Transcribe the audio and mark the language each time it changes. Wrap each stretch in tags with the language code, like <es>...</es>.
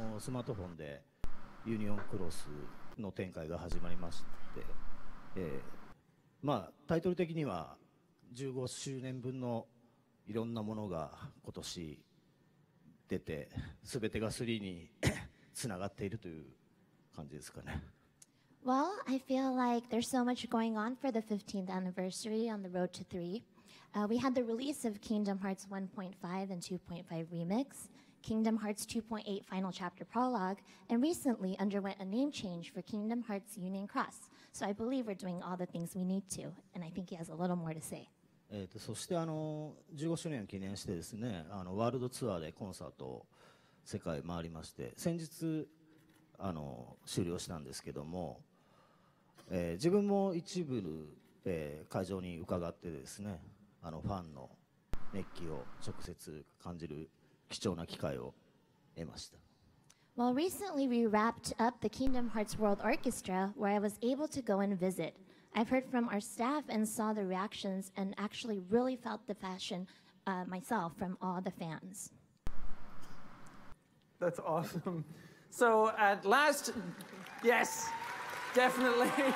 <ja>スマートフォンでユニオンクロスの展開が始まりまして、まあタイトル的には15周年分のいろんなものが今年出て、すべてが3につながっているという感じですかね。</ja> <en>Well, I feel like there's so much going on for the 15th anniversary on the road to 3. We had the release of Kingdom Hearts 1.5 and 2.5 Remix, Kingdom Hearts 2.8 Final Chapter Prologue, and recently underwent a name change for Kingdom Hearts Union Cross. So I believe we're doing all the things we need to, and I think he has a little more to say.</en> <ja>そして15周年を記念してですね、ワールドツアーでコンサートを世界回りまして、先日終了したんですけども、自分も一部会場に伺ってですね、あのファンの熱気を直接感じる貴重な機会を得ました。</ja> <en>Well, recently we wrapped up the Kingdom Hearts World Orchestra, where I was able to go and visit. I've heard from our staff and saw the reactions, and actually really felt the passion myself from all the fans. That's awesome. So at last, yes, definitely.</en>